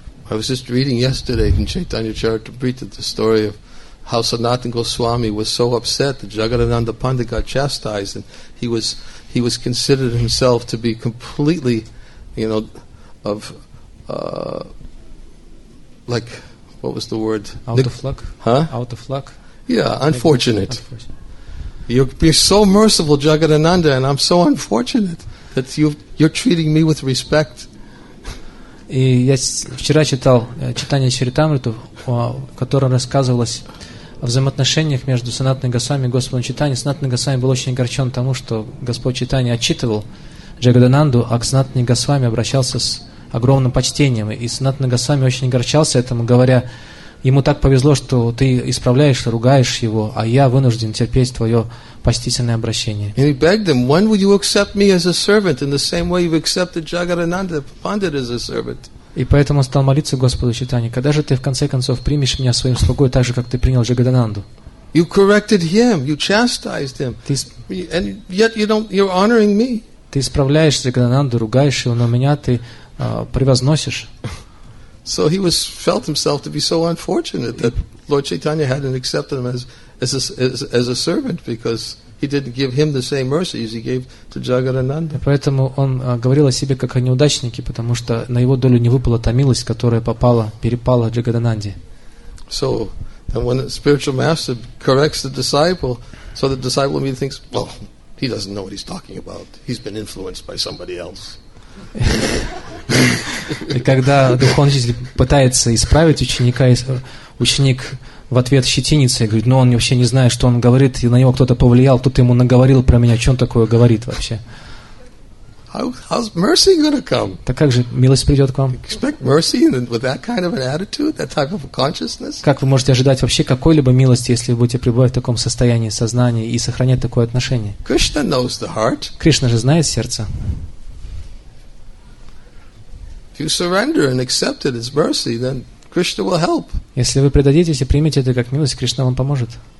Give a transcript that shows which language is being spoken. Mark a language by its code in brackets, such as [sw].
[en] I was just reading yesterday in Chaitanya Charitamrita the story of how Sanatana Goswami was so upset that Jagadananda Pandit got chastised, and he was considered himself to be completely, you know, of like what was the word? Out of luck. Huh? Out of luck. Yeah, unfortunate. You're so merciful, Jagadananda, and I'm so unfortunate that you're treating me with respect. [ru] И я вчера читал читание Чаритамриту, в котором рассказывалось о взаимоотношениях между Санатаной Госвами и Господом Чайтани. Санатана Госвами был очень огорчен тому, что Господь Чайтани отчитывал Джагадананду, а к Санатане Госвами обращался с огромным почтением. И Санатана Госвами очень огорчался этому, говоря, ему так повезло, что ты исправляешь, ругаешь его, а я вынужден терпеть твое почтительное обращение. [en] And he begged him, when would you accept me as a servant in the same way you've accepted Jagadananda Pandit as a servant? [ru] И поэтому он стал молиться Господу Чайтанье, когда же ты в конце концов примешь меня своим слугой, так же, как ты принял Джагадананду? [en] You corrected him, you chastised him, and yet you're honoring me. [ru] Ты исправляешь Джагадананду, ругаешь его, но меня ты превозносишь. [en] So he was felt himself to be so unfortunate that Lord Chaitanya hadn't accepted him as a servant because he didn't give him the same mercy as he gave to Jagadananda. [ru] Поэтому он говорил о себе как о неудачнике, потому что на его долю не выпала та милость, которая перепала Джагадананде. [en] So, and when the spiritual master corrects the disciple, so the disciple immediately thinks, well, he doesn't know what he's talking about. He's been influenced by somebody else. [ru] И когда духовный учитель пытается исправить ученика, ученик в ответ щетинится и говорит, ну он вообще не знает, что он говорит, и на него кто-то повлиял, кто-то ему наговорил про меня, что он такое говорит вообще. [en] How's mercy gonna come? [ru] Так как же милость придет к вам? [en] Expect mercy with that kind of an attitude, that type of consciousness? [ru] Как вы можете ожидать вообще какой-либо милости, если вы будете пребывать в таком состоянии сознания и сохранять такое отношение? [en] Krishna knows the heart. [ru] Кришна же знает сердце. [en] If you surrender and accept it as mercy, then Krishna will help. [ru] Если вы предадитесь и примете это как милость, Кришна вам поможет.